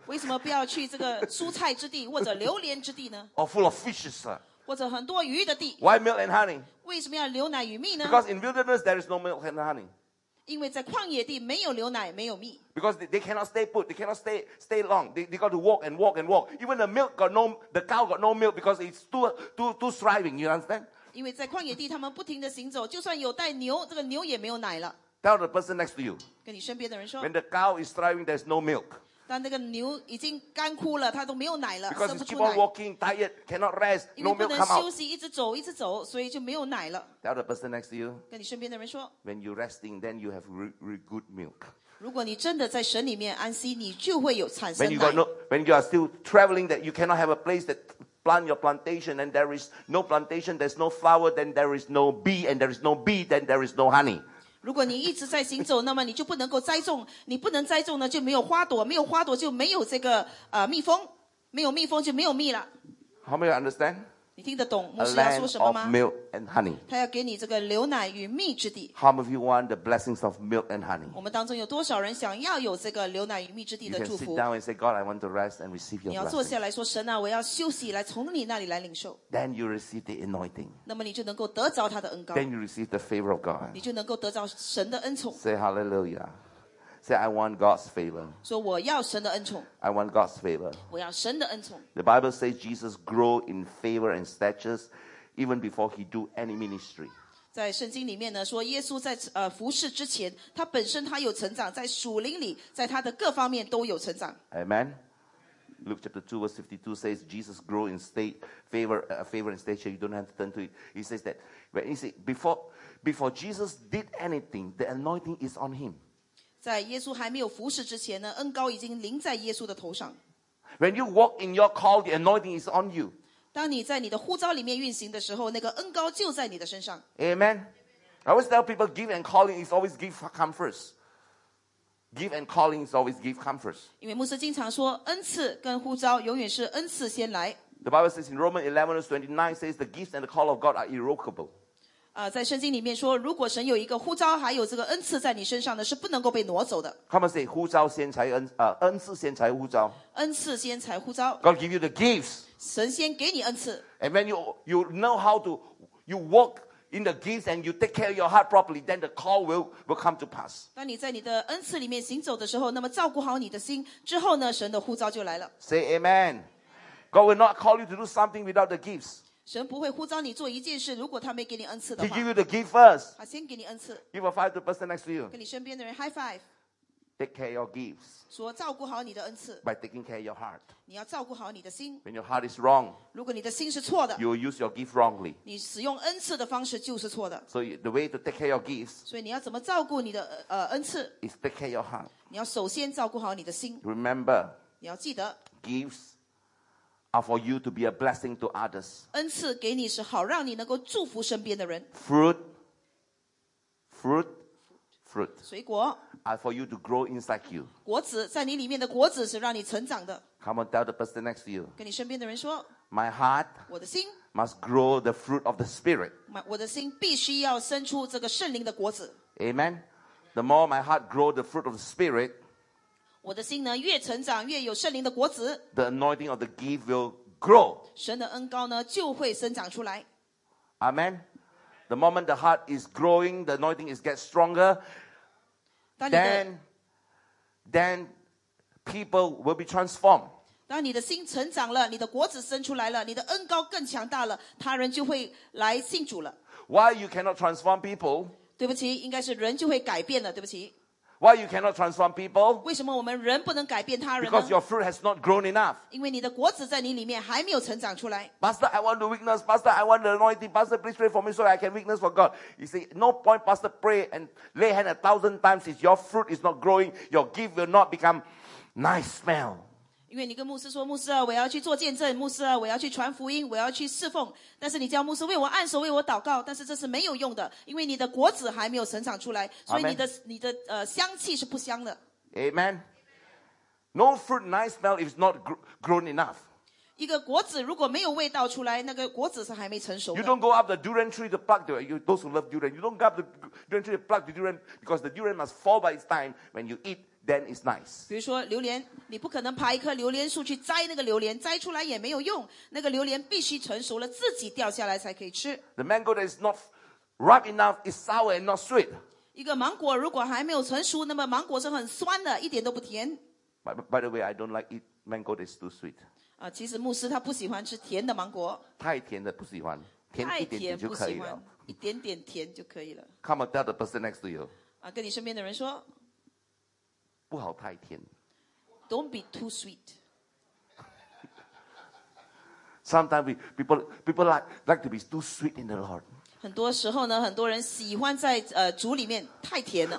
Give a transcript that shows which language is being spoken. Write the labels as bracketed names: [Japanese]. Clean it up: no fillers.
[Chinese] 为什么不要去这个蔬菜之地或者榴莲之地呢 [English] ？Or full of fishes. [Chinese] 或者很多鱼的地。 [English] Why milk and honey? [Chinese] 为什么要牛奶与蜜呢 [English] ？Because in wilderness there is no milk and honey. [Chinese] 因为在旷野地没有牛奶，没有蜜。 [English] Because they cannot stay put, they cannot stay long. They got to walk and walk and walk. Even the milk got no, the cow got no milk because it's too thriving. You understand? [Chinese] 因为在旷野地，他们不停的行走，就算有带牛，这个牛也没有奶了。 [English] Tell the person next to you. [Chinese] 跟你身边的人说。 [English] When the cow is thriving, there's no milk. [Chinese] 当那个牛已经干枯了，它都没有奶了。 [English] Because it keep on walking, tired, cannot rest, no milk come out. [Chinese] 因为不能休息，一直走，一直走，所以就没有奶了。 [English] Tell the person next to you. [Chinese] 跟你身边的人说。 [English] When you're resting, then you have really good milk. [Chinese] 如果你真的在神里面安息，你就会有产生奶。 [English] When you are still traveling, that you cannot have a place that plant your plantation, and there is no plantation, there's no flower, then there is no bee, and there is no bee, then there is no honey. [Chinese] 如果你一直在行走，那么你就不能够栽种。你不能栽种呢，就没有花朵，没有花朵就没有这个蜜蜂，没有蜜蜂就没有蜜了。 [English] How many understand? [Chinese] 你听得懂牧师要说什么吗 [English] ？A land of milk and honey. [Chinese] 他要给你这个牛奶与蜜之地。 [English] How many of you want the blessings of milk and honey? [Chinese] 我们当中有多少人想要有这个牛奶与蜜之地的祝福 [English] ？You can sit down and say, God, I want to rest and receive your blessings. [Chinese] 你要坐下来说，神啊，我要休息，来从你那里来领受。 [English] Then you receive the anointing. [Chinese] 那么你就能够得着他的恩膏。 [English] Then you receive the favor of God. [Chinese] 你就能够得着神的恩宠。 [English] Say hallelujah. Say, I want God's favor. [Chinese] 说我要神的恩宠。 [English] I want God's favor. [Chinese] 我要神的恩宠。 [English] The Bible says Jesus grew in favor and stature even before he do any ministry. [Chinese] 在圣经里面呢，说耶稣在服事之前，他本身他有成长，在属灵里，在他的各方面都有成长。 [English] Amen. Luke chapter 2 verse 52 says Jesus grew in state, favor and stature. You don't have to turn to it. He says that when he said, before Jesus did anything, the anointing is on him. [Chinese] 在耶稣还没有服事之前呢，恩膏已经临在耶稣的头上。 [English] When you walk in your call, the anointing is on you. [Chinese] 当你在你的呼召里面运行的时候，那个恩膏就在你的身上。 [English] Amen. I always tell people, give and calling is always give come first. Give and calling is always give come first. [Chinese] 因为牧师经常说，恩赐跟呼召永远是恩赐先来。 [English] The Bible says in Romans 11:29 says the gifts and the call of God are irrevocable. [Chinese] 在圣经里面说，如果神有一个呼召，还有这个恩赐在你身上呢，是不能够被挪走的。 [English] Come and say, [Chinese] 呼召先才恩赐先才呼召。恩赐先才呼召。 [English] God give you the gifts. [Chinese] 神先给你恩赐。 [English] And when you know how to you walk in the gifts and you take care of your heart properly, then the call will come to pass. [Chinese] 当你在你的恩赐里面行走的时候，那么照顾好你的心之后呢，神的呼召就来了。 [English] Say Amen. God will not call you to do something without the gifts. [Chinese] 神不会呼召你做一件事，如果他没给你恩赐的话。 [English] He give you the gift first. [Chinese] 他先给你恩赐。 [English] Give a five to the person next to you. [Chinese] 跟你身边的人 [English] high five. Take care of your gifts. [Chinese] 说照顾好你的恩赐。 [English] By taking care of your heart. [Chinese] 你要照顾好你的心。 [English] When your heart is wrong. [Chinese] 如果你的心是错的。 [English] You will use your gift wrongly. [Chinese] 你使用恩赐的方式就是错的。 [English] So the way to take care of your gifts. [Chinese] 所以你要怎么照顾你的恩赐。 [English] Is take care of your heart. [Chinese] 你要首先照顾好你的心。 [English] Remember. [Chinese] 你要记得。 [English] Gifts. Are for you to be a blessing to others. [Chinese] 恩赐给你是好让你能够祝福身边的人。 [English] Fruit. [Chinese] 水果。 [English] Are for you to grow inside you. [Chinese] 果子在你里面的果子是让你成长的。 [English] Come on, tell the person next to you. [Chinese] 跟你身边的人说。 [English] My heart. [Chinese] 我的心。 [English] Must grow the fruit of the spirit. [Chinese] 我的心必须要生出这个圣灵的果子。 [English] Amen. The more my heart grow the fruit of the spirit. [Chinese] 我的心呢越成长越有圣灵的果子 [English] The anointing of the gift will grow [Chinese] 神的恩膏呢就会生长出来 [English] Amen The moment the heart is growing The anointing is get stronger Then people will be transformed [Chinese] 当你的心成长了你的果子生出来了你的恩膏更强大了他人就会来信主了 [English] Why you cannot transform people [Chinese] 对不起应该是人就会改变了对不起 [English] Why you cannot transform people? [Chinese] 为什么我们人不能改变他人呢? [English] Because your fruit has not grown enough. [Chinese] 因为你的果子在你里面还没有成长出来。 [English] Pastor, I want the weakness. Pastor, I want the anointing. Pastor, please pray for me so I can witness for God. You see, no point, Pastor, pray and lay hand 1,000 times if your fruit is not growing, your gift will not become nice smell. [Chinese] 因为你跟牧师说，牧师啊，我要去做见证，牧师啊，我要去传福音，我要去侍奉。但是你叫牧师为我按手，为我祷告，但是这是没有用的，因为你的果子还没有生长出来，所以你的香气是不香的。 [English] Amen. No fruit nice smell if it's not grown enough. [Chinese] 一个果子如果没有味道出来，那个果子是还没成熟的。 [English] You don't go up the durian tree to pluck the those who love durian. You don't go up the durian tree to pluck the durian because the durian must fall by its time when you eat. Then it's nice. [Chinese] 比如说榴莲，你不可能爬一棵榴莲树去摘那个榴莲，摘出来也没有用。那个榴莲必须成熟了，自己掉下来才可以吃。 [English] The mango that is not ripe enough is sour and not sweet. [Chinese] 一个芒果如果还没有成熟，那么芒果是很酸的，一点都不甜。 [English] By the way, I don't like eat mango that is too sweet. [Chinese] 其实牧师他不喜欢吃甜的芒果。太甜的不喜欢，甜一点点就可以了。一点点甜就可以了。 [English] Come and tell the person next to you. [Chinese] 跟你身边的人说。不好太甜 [English] Don't be too sweet. Sometimes people like to be too sweet in the Lord. [Chinese] 很多时候呢，很多人喜欢在主里面太甜了。